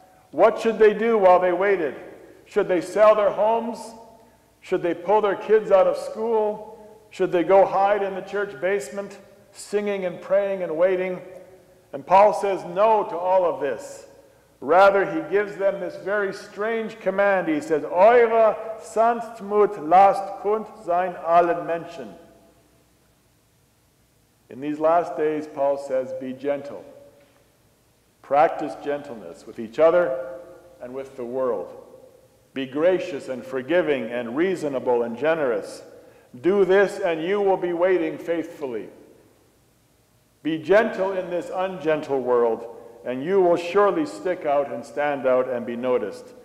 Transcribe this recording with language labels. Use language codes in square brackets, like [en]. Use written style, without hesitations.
[en] What should they do while they waited? Should they sell their homes? Should they pull their kids out of school? Should they go hide in the church basement, singing and praying and waiting? And Paul says no to all of this. Rather, he gives them this very strange command. He says, [de] Eure Sanftmut lasst kund sein allen Menschen. [en] In these last days, Paul says, be gentle. Practice gentleness with each other and with the world. Be gracious and forgiving and reasonable and generous. Do this and you will be waiting faithfully. Be gentle in this ungentle world, and you will surely stick out and stand out and be noticed.